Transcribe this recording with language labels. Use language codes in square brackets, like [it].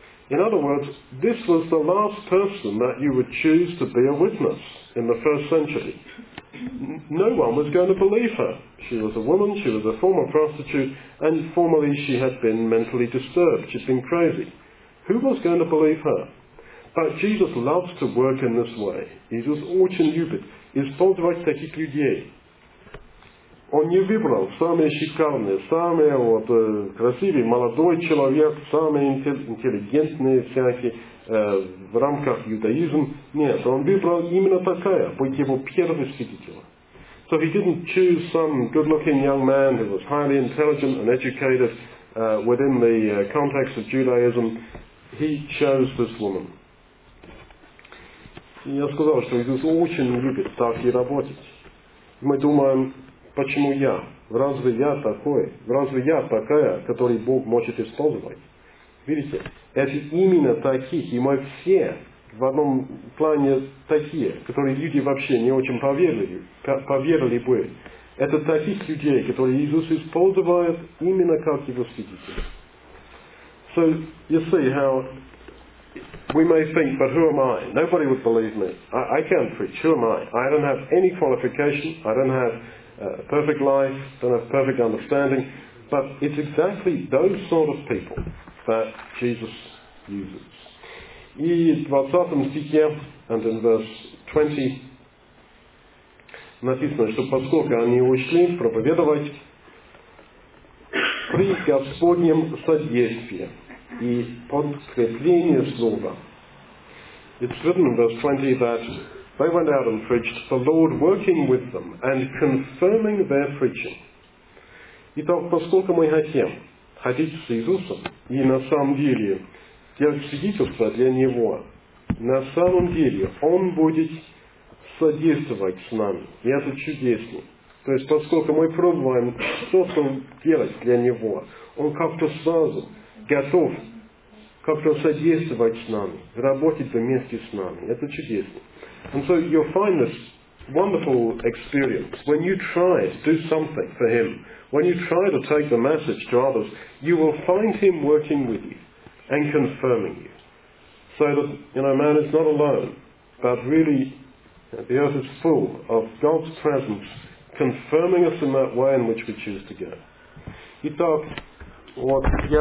[en] In other words, this was the last person that you would choose to be a witness in the first century. No one was going to believe her. She was a woman, she was a former prostitute, and formerly she had been mentally disturbed, she'd been crazy. Who was going to believe her? But Jesus loves to work in this way. [ru] Иисус очень любит использовать таких людей. Он не выбрал самые шикарные, самые вот красивые, молодой человек, самые интеллигентные всякие в рамках иудаизма. Нет, он выбрал именно такая, быть его первым свидетелем. [en] So he didn't choose some good-looking young man who was highly intelligent and educated within the context of Judaism. He chose this woman. [ru] И я сказал, что Иисус очень любит так и работать. Мы думаем, почему я? Разве я такой? Разве я такая, которую Бог может использовать? Видите, это именно таких, и мы все в одном плане такие, которые люди вообще не очень поверили бы. Это таких людей, которые Иисус использует именно как его свидетели. [en] So, you see how we may think, but who am I? Nobody would believe me. I can't preach. Who am I? I don't have any qualification. I don't have a perfect life. I don't have perfect understanding. But it's exactly those sort of people that Jesus uses. [ru] И в 20 стихе, [en] and in verse 20, [ru] написано, что поскольку они ушли проповедовать при Господнем содействии и подкрепление слова. [en] It's written in verse 20 that they went out and preached, the Lord working with them and confirming their preaching. [ru] Итак, поскольку мы хотим ходить с Иисусом и на самом деле делать свидетельство для Него, на самом деле Он будет содействовать с нами. И это чудесно. То есть, поскольку мы пробуем что-то делать для Него, Он как-то сразу готов как-то содействовать с нами, работать вместе с нами. Это чудесно. [en] And so you'll find this wonderful experience. When you try to do something for him, when you try to take the message to others, you will find him working with you and confirming you. So that, you know, man is not alone, but really the earth is full of God's presence confirming us in that way in which we choose to go. [ru] Итак, вот я...